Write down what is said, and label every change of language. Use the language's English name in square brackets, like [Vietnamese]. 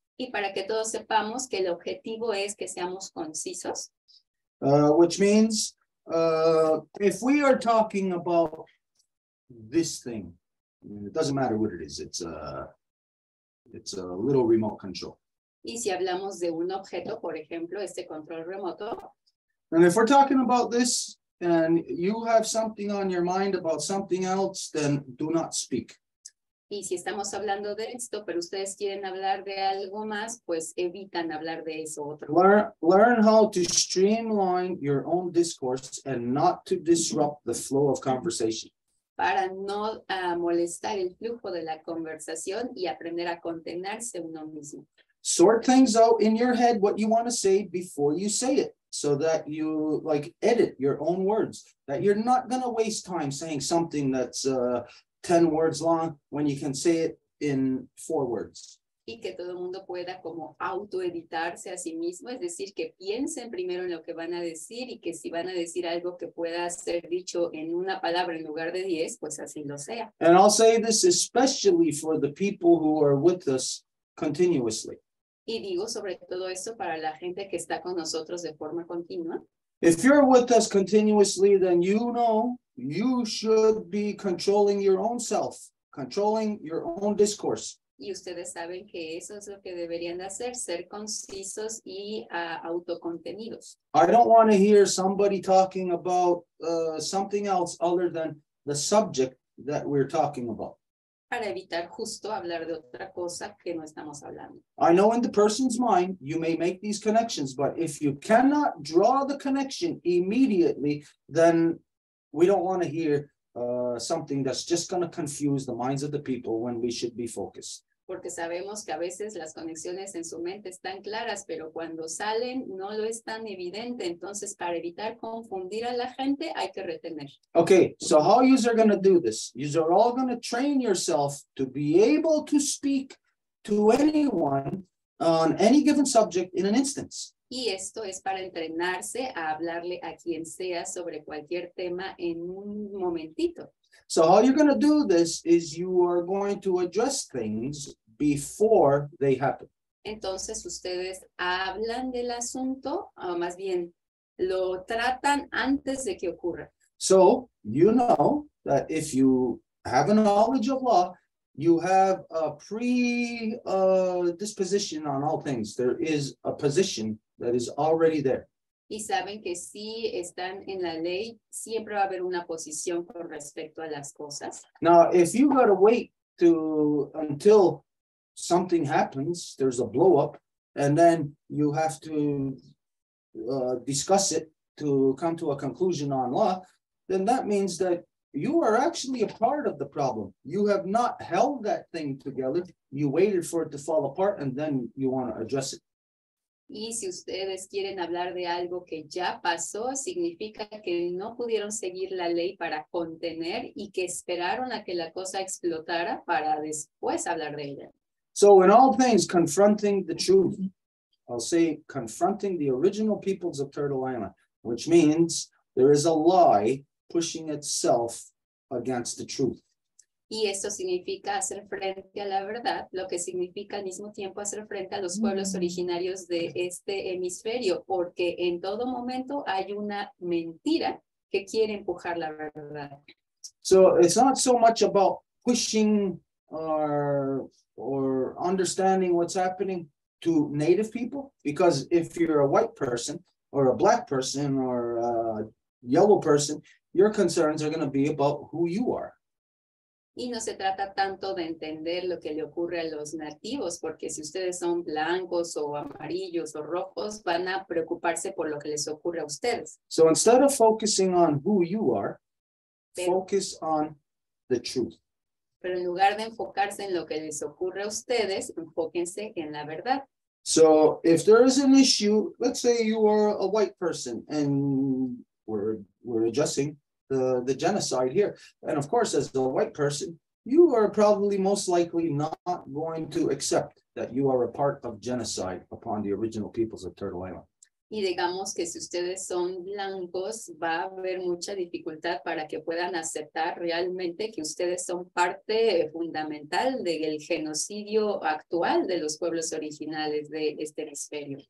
[Spanish] Y para que todos sepamos que el objetivo es que seamos concisos. [English] Which means, if we are talking about this thing, it doesn't matter what it is, it's a little remote control. [Spanish] Y si hablamos de un objeto, por ejemplo, este control remoto. [English] And if we're talking about this, and you have something on your mind about something else, then do not speak. [Spanish] Y si estamos hablando de esto, pero ustedes quieren hablar de algo más, pues evitan hablar de eso otro. [English] Learn how to streamline your own discourse and not to disrupt the flow of conversation. [Spanish] Para no molestar el flujo de la conversación y aprender a contenerse uno mismo. [English] Sort things out in your head what you want to say before you say it. So that you like edit your own words, that you're not going to waste time saying something that's 10 words long when you can say it in 4 words. [Spanish] Y que todo el mundo pueda como autoeditarse a sí mismo, es decir, que piensen primero en lo que van a decir y que si van a decir algo que pueda ser dicho en una palabra en lugar de 10, pues así lo sea. [English] And I'll say this especially for the people who are with us continuously. [Spanish] Y digo sobre todo esto para la gente que está con nosotros de forma continua. [English] If you're with us continuously, then you know you should be controlling your own self, controlling your own discourse. [Spanish] Y ustedes saben que eso es lo que deberían de hacer, ser concisos y autocontenidos. [English] I don't want to hear somebody talking about something else other than the subject that we're talking about. [Spanish] Para evitar justo hablar de otra cosa que no estamos hablando. [English] I know in the person's mind you may make these connections, but if you cannot draw the connection immediately, then we don't want to hear something that's just going to confuse the minds of the people when we should be focused. [Spanish] Porque sabemos que a veces las conexiones en su mente están claras, pero cuando salen no lo es tan evidente. Entonces, para evitar confundir a la gente, hay que retener. [English] Okay, so how you are going to do this? You are all going to train yourself to be able to speak to anyone on any given subject in an instance. [Spanish] Y esto es para entrenarse a hablarle a quien sea sobre cualquier tema en un momentito. [English] So how you're going to do this is you are going to address things before they happen. [Spanish] Entonces ustedes hablan del asunto, o más bien lo tratan antes de que ocurra. [English] So you know that if you have a knowledge of law, you have a predisposition on all things. There is a position that is already there. [Spanish] Y saben que si están en la ley, siempre va a haber una posición con respecto a las cosas. [English] Now, if you gotta wait until something happens, there's a blow up, and then you have to discuss it to come to a conclusion on law, then that means that you are actually a part of the problem. You have not held that thing together. You waited for it to fall apart, and then you want to address it. [Spanish] Y si ustedes quieren hablar de algo que ya pasó, significa que no pudieron seguir la ley para contener y que esperaron a que la cosa explotara para después hablar de ella. [English] So in all things, confronting the truth. I'll say confronting the original peoples of Turtle Island, which means There is a lie pushing itself against the truth. [Spanish] Y esto significa hacer frente a la verdad, lo que significa al mismo tiempo hacer frente a los pueblos originarios de este hemisferio, porque en todo momento hay una mentira que quiere empujar la verdad. [English] So it's not so much about pushing or understanding what's happening to native people, because if you're a white person or a black person or a yellow person, your concerns are going to be about who you are. [Spanish] Y no se trata tanto de entender lo que le ocurre a los nativos, porque si ustedes son blancos o amarillos o rojos, van a preocuparse por lo que les ocurre a ustedes. [English] So instead of focusing on who you are, focus on the truth. [Spanish] Pero en lugar de enfocarse en lo que les ocurre a ustedes, enfóquense en la verdad. [English] So if there is an issue, let's say you are a white person and we're adjusting the genocide here. And of course, as a white person, you are probably most likely not going to accept that you are a part of genocide upon the original peoples of Turtle Island. [Spanish] Y digamos que si ustedes son blancos, va a haber mucha dificultad para que puedan aceptar realmente que ustedes son parte fundamental del genocidio actual de los pueblos originales de este hemisferio.